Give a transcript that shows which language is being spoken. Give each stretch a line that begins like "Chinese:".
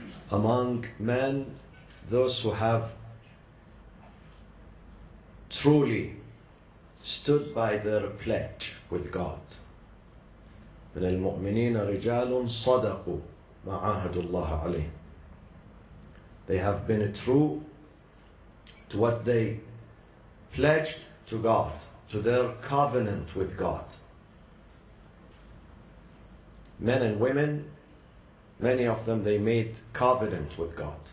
English: Among men, those who have truly stood by their pledge with God.
Arabic: من المؤمنين رجال صدقوا ما عاهدوا الله عليه.
English: They have been true to what they pledged to God, to their covenant with God. Men and women, many of them, they made covenant with God.